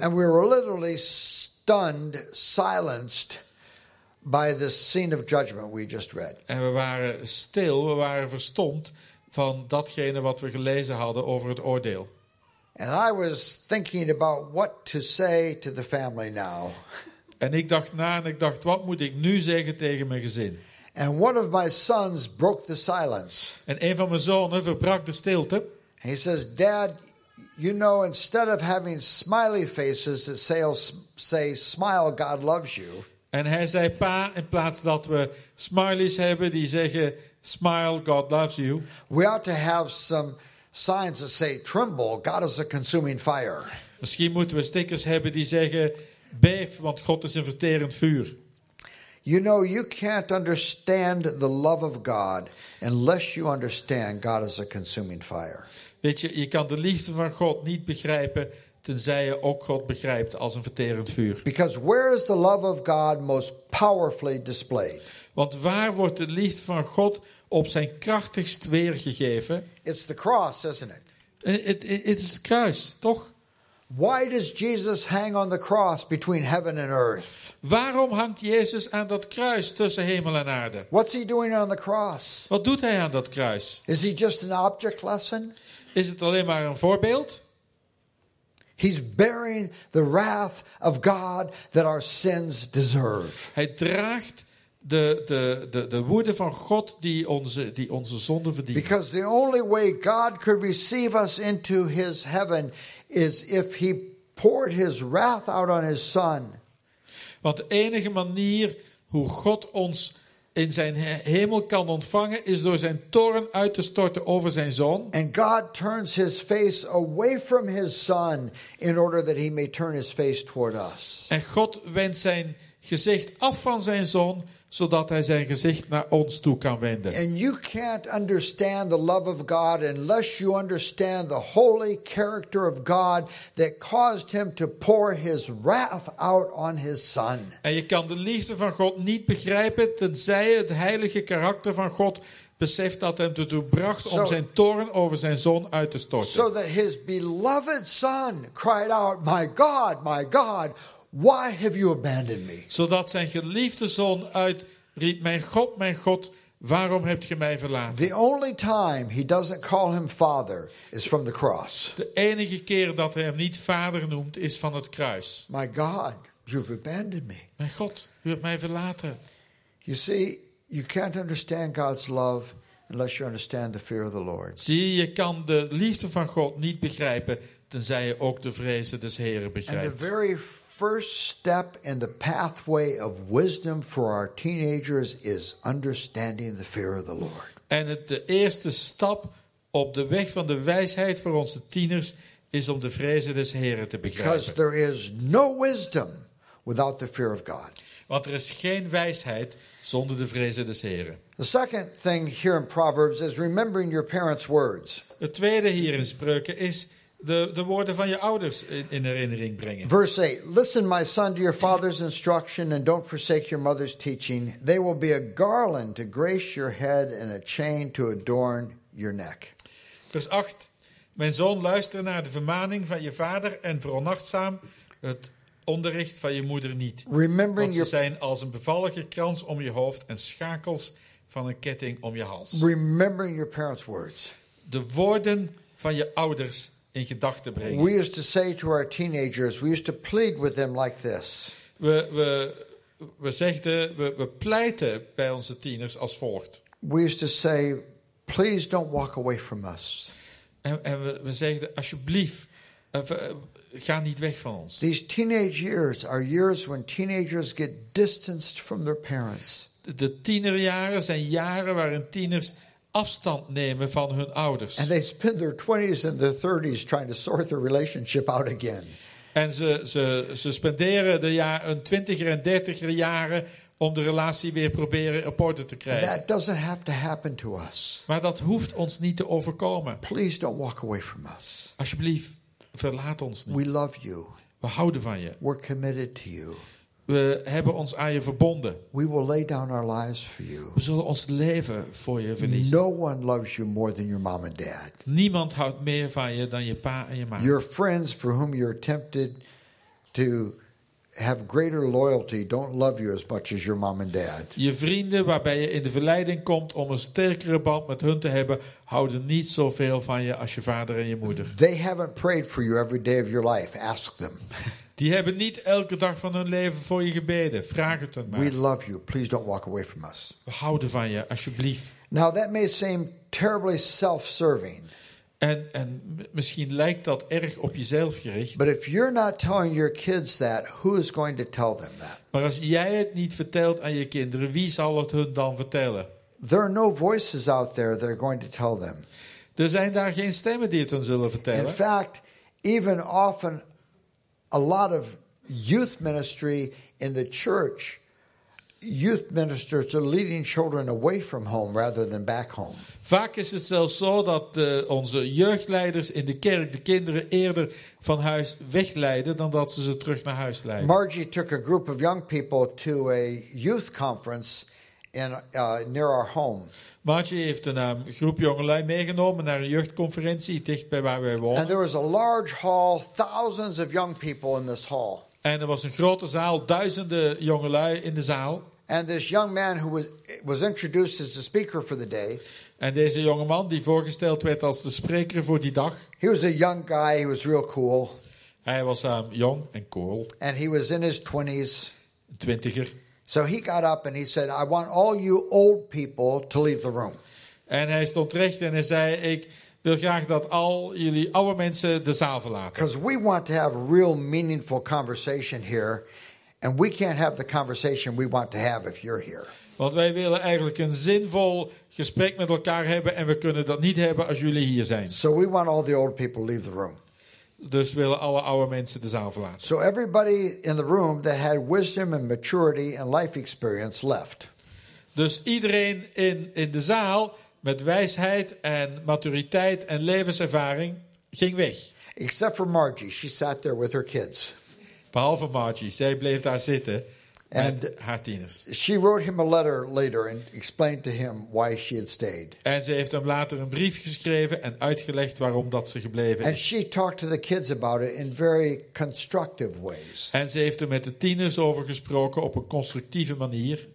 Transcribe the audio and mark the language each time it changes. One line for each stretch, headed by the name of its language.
English: And we were literally stunned, silenced by the scene of judgment we just read.
Dutch: En we waren stil, we waren verstomd van datgene wat we gelezen hadden over het oordeel.
English: And I was thinking about what to say to the family now.
Dutch: En ik dacht na en ik dacht, wat moet ik nu zeggen tegen mijn gezin?
English: And one of my sons broke the silence.
Dutch: En een van mijn zonen verbrak de stilte.
English: He says, Dad, you know, instead of having smiley faces that say smile, God loves you.
Dutch: En hij zei, pa, in plaats dat we smileys hebben die zeggen,
English: smile, God loves you. We ought to have some signs that say tremble, God is a consuming fire.
Dutch: Misschien moeten we stickers hebben die zeggen beef, want God is een verterend vuur.
English: You know, you can't understand the love of God unless you understand God is a consuming fire.
Dutch: Weet je, je kan de liefde van God niet begrijpen tenzij je ook God begrijpt als een verterend vuur.
English: Because where is the love of God most powerfully displayed?
Dutch: Want waar wordt de liefde van God op zijn krachtigst weergegeven?
English: It's the cross, isn't it? It is
Dutch: het kruis, toch?
English: Why does Jesus hang on the cross between heaven and earth?
Dutch: Waarom hangt Jezus aan dat kruis tussen hemel en aarde?
English: What's he doing on the cross?
Dutch: Wat doet hij aan dat kruis?
English: Is he just an object lesson?
Dutch: Is het alleen maar een voorbeeld?
English: He's bearing the wrath of God that our sins deserve.
Dutch: Hij draagt de woede van God die onze zonden verdient.
English: Because the only way God could receive us into his heaven is if he poured his wrath out on his son.
Dutch: Want de enige manier hoe God ons in zijn hemel kan ontvangen is door zijn toorn uit te storten over zijn zoon.
English: And God turns his face away from his son in order that he may turn his face toward us.
Dutch: En God wendt zijn gezicht af van zijn zoon zodat hij zijn gezicht naar ons toe kan wenden.
English: And you can't understand the love of God unless you understand the holy character of God that caused him to pour his wrath out on his son.
Dutch: En je kan de liefde van God niet begrijpen tenzij het heilige karakter van God beseft dat hem ertoe bracht om zijn toorn over zijn zoon uit te storten.
English: So that his beloved son cried out, "My God, my God, why have you abandoned me?"
Dutch: Zodat zijn geliefde zoon uitriep, mijn God, waarom hebt je mij verlaten?
English: The only time he doesn't call him father is from the cross.
Dutch: De enige keer dat hij hem niet vader noemt is van het kruis.
English: My God, you've abandoned me.
Dutch: Mijn God, u hebt mij verlaten.
English: You see, you can't understand God's love unless you understand the fear of the Lord.
Dutch: Zie, je kan de liefde van God niet begrijpen tenzij je ook de vrezen des Heren begrijpt.
English: And the very first step in the pathway of wisdom for our teenagers is understanding the fear of the Lord.
Dutch: En de eerste stap op de weg van de wijsheid voor onze tieners is om de vrezen des Heren te begrijpen.
English: Because there is no wisdom without the fear of God.
Dutch: Want er is geen wijsheid zonder de vrezen des Heren.
English: The second thing here in Proverbs is remembering your parents' words.
Dutch: Het tweede hier in Spreuken is de woorden van je ouders in herinnering brengen.
English: Verse 8. Listen, my son, to your father's instruction and don't forsake your mother's teaching. They will be a garland to grace your head and a chain to adorn your neck.
Dutch: Vers 8. Mijn zoon, luister naar de vermaning van je vader en veronachtzaam het onderricht van je moeder niet.
English: Remembering
Dutch: want ze zijn als een bevallige krans om je hoofd en schakels van een ketting om je hals.
English: Remembering your parents' words.
Dutch: De woorden van je ouders in gedachten brengen.
English: We used to say to our teenagers, we used to plead with them like this.
Dutch: We pleiten bij onze tieners als volgt.
English: We used to say, please don't walk away from us.
Dutch: En we zeiden, alsjeblieft, ga niet weg van ons.
English: These teenage years are years when teenagers get distanced from their parents.
Dutch: De tienerjaren zijn jaren waarin tieners afstand nemen van hun ouders.
English: And they spend their 20s and their 30s trying to sort their relationship out again.
Dutch: En ze spenderen hun 20er en 30er jaren om de relatie weer proberen op orde te krijgen.
English: That doesn't have to happen to us.
Dutch: Maar dat hoeft ons niet te overkomen.
English: Please don't walk away from us.
Dutch: Alsjeblieft, verlaat ons niet.
English: We love you.
Dutch: We houden van je.
English: We're committed to you.
Dutch: We hebben ons aan je verbonden.
English: We will lay down our lives for you.
Dutch: We zullen ons leven voor je verliezen.
English: No one loves you more than your mom and dad.
Dutch: Niemand houdt meer van je dan je pa en je ma.
English: Your friends for whom you're tempted to have greater loyalty don't love you as much as your mom and dad.
Dutch: Je vrienden waarbij je in de verleiding komt om een sterkere band met hun te hebben, houden niet zoveel van je als je vader en je moeder.
English: They haven't prayed for you every day of your life. Ask them.
Dutch: Die hebben niet elke dag van hun leven voor je gebeden. Vraag het hen maar.
English: We love you. Please don't walk away from us.
Dutch: We houden van je, alsjeblieft.
English: Now that may seem terribly self-serving.
Dutch: En misschien lijkt dat erg op jezelf gericht.
English: But if you're not telling your kids that, who is going to tell them that?
Dutch: Maar als jij het niet vertelt aan je kinderen, wie zal het hun dan vertellen?
English: There are no voices out there that are going to tell them.
Dutch: Er zijn daar geen stemmen die het hun zullen vertellen.
English: In fact, even often a lot of youth ministry in the church, youth ministers are leading children away from home rather than back home.
Dutch: Vaak is het zelfs zo dat onze jeugdleiders in de kerk de kinderen eerder van huis wegleiden dan dat ze ze terug naar huis leiden.
English: Margie took a group of young people to a youth conference near our home.
Dutch: Margie heeft een groep jongelui meegenomen naar een jeugdconferentie dicht bij waar wij wonen.
English: And there was a large hall, thousands of young people in this hall.
Dutch: En er was een grote zaal, duizenden jongelui in de zaal.
English: And this young man who was introduced as the speaker for the day.
Dutch: En deze jonge man die voorgesteld werd als de spreker voor die dag.
English: He was a young guy, he was real cool.
Dutch: Hij was jong en cool.
English: And he was in his 20s.
Dutch: Een twintiger.
English: So he got up and he said, I want all you old people to leave the room.
Dutch: En hij stond recht en hij zei, ik wil graag dat al jullie oude mensen de zaal verlaten.
English: Because we want to have real meaningful conversation here. And we can't have the conversation we want to have if you're here.
Dutch: Want wij willen eigenlijk een zinvol gesprek met elkaar hebben. En we kunnen dat niet hebben als jullie hier zijn.
English: So we want all the old people to leave the room.
Dutch: Dus willen alle oude mensen de zaal verlaten.
English: So everybody in the room that had wisdom and maturity and life experience left.
Dutch: Dus iedereen in de zaal met wijsheid en maturiteit en levenservaring ging weg.
English: Except for Margie, she sat there with her kids.
Dutch: Behalve Margie, zij bleef daar zitten en haar tieners.
English: She wrote him a letter later and explained to him why she had stayed.
Dutch: En ze heeft hem later een brief geschreven en uitgelegd waarom dat ze gebleven is.
English: And she talked to the kids about it in very constructive ways.
Dutch: En ze heeft er met de tieners over gesproken op een constructieve manier.